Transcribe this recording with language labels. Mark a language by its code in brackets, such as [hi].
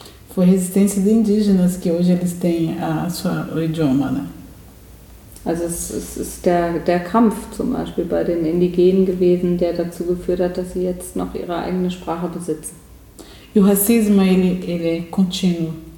[pt] Foi resistência de indígenas que hoje eles têm a sua idioma, né? [de] Also es ist der Kampf zum Beispiel bei den Indigenen gewesen, der dazu geführt hat, dass sie jetzt noch ihre eigene Sprache besitzen. [pt] E o racismo, ele é contínuo.